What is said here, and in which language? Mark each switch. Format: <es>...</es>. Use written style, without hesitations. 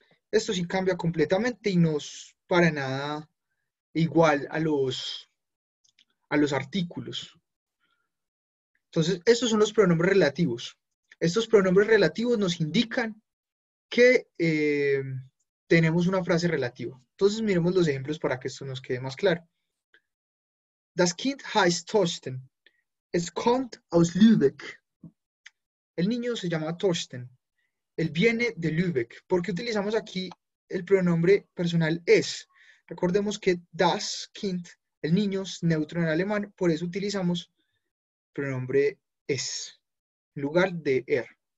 <es>Esto sí cambia completamente y no es para nada igual a los artículos. Entonces, estos son los pronombres relativos. Estos pronombres relativos nos indican que tenemos una frase relativa. Entonces, miremos los ejemplos para que esto nos quede más claro.</es> <de>Das Kind heißt Thorsten. Es kommt aus Lübeck.</de> <es>El niño se llama Thorsten. Él viene de Lübeck. ¿Por qué utilizamos aquí el pronombre personal es? Recordemos que das Kind, el niño, es neutro en alemán. Por eso utilizamos pronombre es en lugar de er.</es>